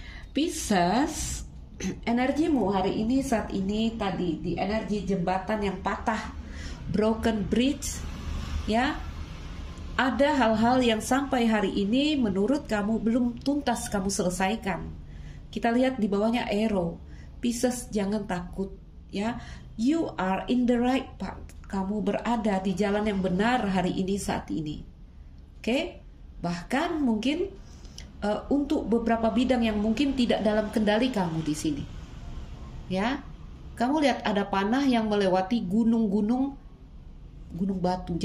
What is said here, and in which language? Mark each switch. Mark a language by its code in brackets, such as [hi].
[id] Pisces, energimu hari ini, saat ini, tadi di energi jembatan yang patah, [en] broken bridge, [id] ya, ada hal-hal yang sampai hari ini menurut kamu belum tuntas kamu selesaikan. Kita lihat di bawahnya arrow, Pisces, jangan takut, ya. [en] You are in the right path. [id] Kamu berada di jalan yang benar hari ini, saat ini. Oke? Bahkan mungkin untuk beberapa bidang yang mungkin tidak dalam kendali kamu di sini, ya, kamu lihat ada panah yang melewati gunung-gunung, gunung batu.